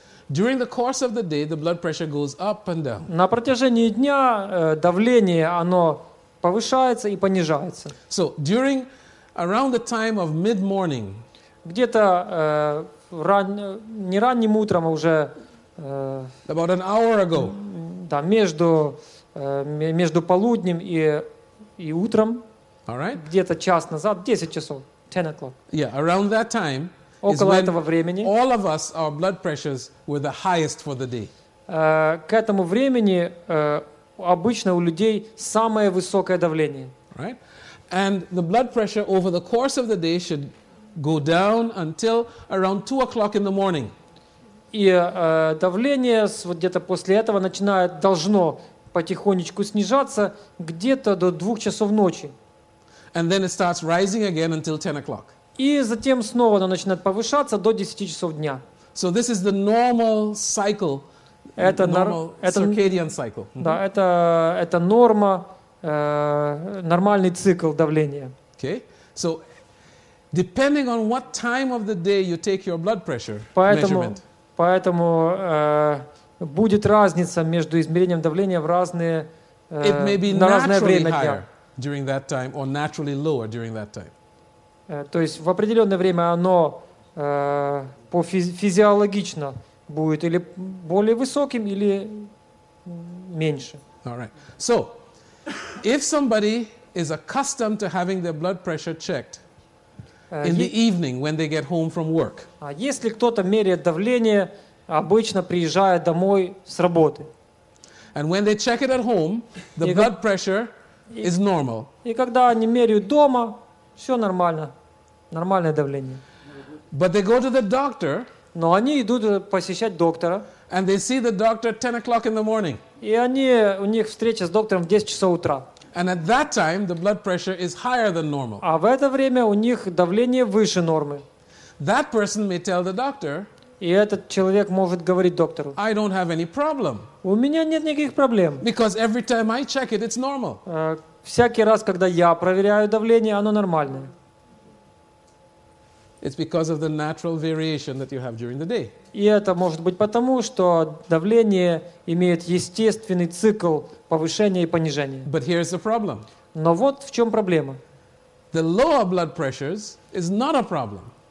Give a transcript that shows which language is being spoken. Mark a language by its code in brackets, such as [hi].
[en] During the course of the day, the blood pressure goes up and down. [ru] На протяжении дня давление оно повышается и понижается. [en] So, during around the time of mid-morning, [ru] где-то не ранним утром, а уже [en] about an hour ago, [ru] да, между полуднем и утром, [en] All right? [ru] Где-то час назад, 10 часов, [en] 10 o'clock. Yeah, around that time [ru] около этого времени, [en] all of us, our blood pressures were the highest for the day. [ru] К этому времени обычно у людей самое высокое давление. [en] Right? And the blood pressure over the course of the day should go down until around 2 o'clock in the morning. [ru] И давление вот где-то после этого начинает, должно потихонечку снижаться где-то до 2 часов ночи. [en] And then it starts rising again until 10 o'clock. [ru] И затем снова оно начинает повышаться до 10 часов дня. [en] So this is the normal cycle. [ru] Это [en] circadian cycle. Mm-hmm. [ru] Да, это норма, нормальный цикл давления. [en] Okay. So depending on what time of the day you take your blood pressure measurement. [ru] Поэтому будет разница между измерением давления в разные на разное время дня. [en] During that time or naturally lower during that time. [ru] То есть в определенное время оно по физиологично будет или более высоким, или меньше. [en] All right. So, if somebody is accustomed to having their blood pressure checked in the evening when they get home from work. [ru] А если кто-то меряет давление, обычно приезжая домой с работы. [en] And when they check it at home, the blood pressure is normal. [ru] И когда они меряют дома, все нормально. Нормальное давление. [en] But they go to the doctor. [ru] Но они идут посещать доктора. [en] And they see the doctor at 10 o'clock in the morning. [ru] И они, у них встреча с доктором в 10 часов утра. [en] And at that time the blood pressure is higher than normal. [ru] А в это время у них давление выше нормы. [en] That person may tell the doctor. [ru] И этот человек может говорить доктору. [en] I don't have any problem. [ru] У меня нет никаких проблем. [en] Because every time I check it, it's normal. [ru] Всякий раз, когда я проверяю давление, оно нормальное. [en] It's because of the natural variation that you have during the day. [ru] И это может быть потому, что давление имеет естественный цикл повышения и понижения. [en] But here's the problem. [ru] Но вот в чем проблема. [en] The lower blood pressures is not a problem.